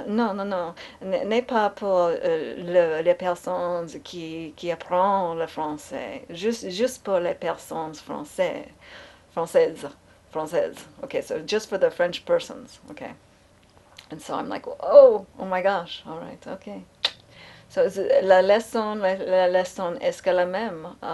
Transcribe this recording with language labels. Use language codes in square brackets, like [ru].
[fr] Non, non, non, n'est pas pour les personnes qui apprennent le français, juste pour les personnes françaises. [en] Okay, so just for the French persons. Okay, and so I'm like, oh, oh my gosh. All right, okay. [fr] So la leçon est-ce que la même?